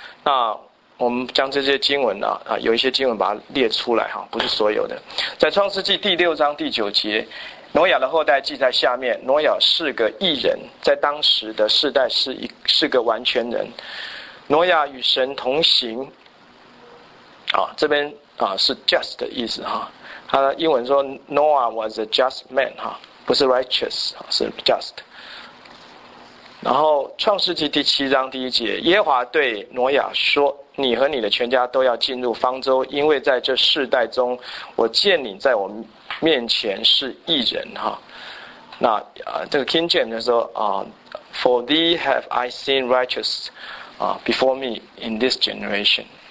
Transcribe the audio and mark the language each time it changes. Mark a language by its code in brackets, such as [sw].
[zh] 那我们将这些经文啊有一些经文把它列出来哈，不是所有的。在创世纪6:9，挪亚的后代记在下面。挪亚是个义人，在当时的世代是个完全人。挪亚与神同行，啊，这边啊是 just 的意思哈。他英文说 [en] Noah was a just man [zh] 哈，不是 righteous 是 just。然后创世纪7:1，耶华对挪亚说，你和你的全家都要进入方舟，因为在这世代中我见你在我面前是义人哈。那这个 [en] King James [zh] 说啊 [en] ,For thee have I seen righteous before me in this generation.